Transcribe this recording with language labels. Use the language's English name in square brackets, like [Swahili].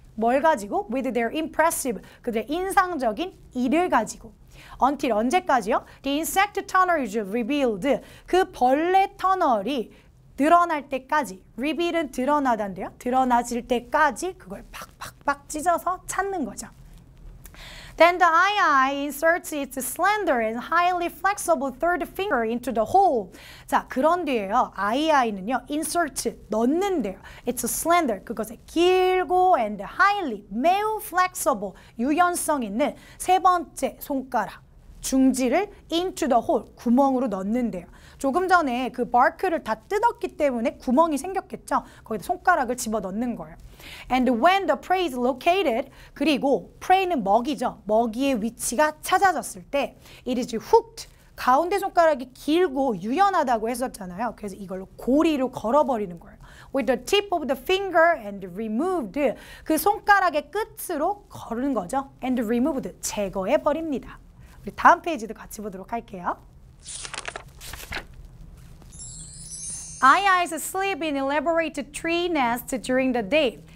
[Korean] 뭘 가지고? [English] with their impressive, [Korean] 그들의 인상적인 이를 가지고. [English] until [Korean] 언제까지요? [English] the insect tunnel is revealed. [Korean] 그 벌레 터널이 드러날 때까지, reveal은 드러나단대요. 드러나질 때까지 그걸 팍팍팍 찢어서 찾는 거죠. [English] Then the II inserts its slender and highly flexible third finger into the hole. [Korean] 자, 그런 뒤에요. II는요, insert, 넣는데요. [English] It's a slender, [Korean] 그것에 길고 [English] and highly, [Korean] 매우 flexible, 유연성 있는 세 번째 손가락, 중지를 [English] into the hole, [Korean] 구멍으로 넣는데요. 조금 전에 그 bark를 다 뜯었기 때문에 구멍이 생겼겠죠? 거기다 손가락을 집어넣는 거예요. [English] And when the prey is located, [Korean] 그리고 prey는 먹이죠. 먹이의 위치가 찾아졌을 때 [English] it is hooked. [Korean] 가운데 손가락이 길고 유연하다고 했었잖아요. 그래서 이걸로 고리로 걸어버리는 거예요. [English] With the tip of the finger and removed, [Korean] 그 손가락의 끝으로 거르는 거죠. [English] And removed, [Korean] 제거해버립니다. 우리 다음 페이지도 같이 보도록 할게요. [English] II's sleep in elaborate tree nest during the day.